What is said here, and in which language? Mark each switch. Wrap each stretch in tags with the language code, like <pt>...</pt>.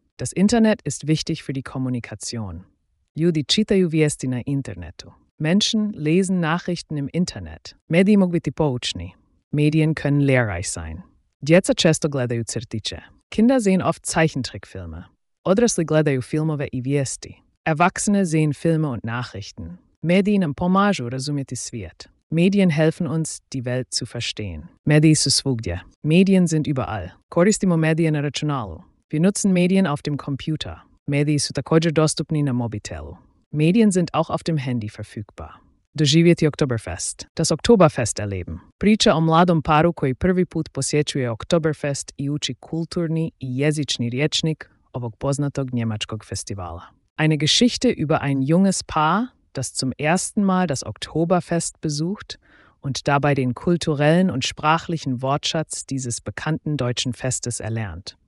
<de>Das Internet ist wichtig für die Kommunikation.</de> <hr>Ljudi čitaju vijesti na internetu.</hr> <de>Menschen lesen Nachrichten im Internet.</de> <hr>Mediji mogu biti poučni.</hr> <de>Medien können lehrreich sein.</de> <hr>Djeca često gledaju crtiće.</hr> <de>Kinder sehen oft Zeichentrickfilme.</de> <hr>Odrasli gledaju filmove i vijesti.</hr> <de>Erwachsene sehen Filme und Nachrichten.</de> <hr>Mediji nam pomažu razumjeti svijet.</hr> <de>Medien helfen uns, die Welt zu verstehen.</de> <hr>Mediji su svugdje.</hr> <de>Medien sind überall.</de> <hr>Koristimo medije na računalu.</hr> <de>Wir nutzen Medien auf dem Computer.</de> <hr>Mediji su također dostupni na mobitelu.</hr> <de>Medien sind auch auf dem Handy verfügbar.</de> <hr>Doživjeti Oktoberfest.</hr> <de>Das Oktoberfest erleben.</de> <hr>Priča o mladom paru koji prvi put posjećuje Oktoberfest i uči kulturni i jezični rječnik ovog poznatog njemačkog festivala.</hr> <de>Eine Geschichte über ein junges Paar, das zum ersten Mal das Oktoberfest besucht und dabei den kulturellen und sprachlichen Wortschatz dieses bekannten deutschen Festes erlernt.</de>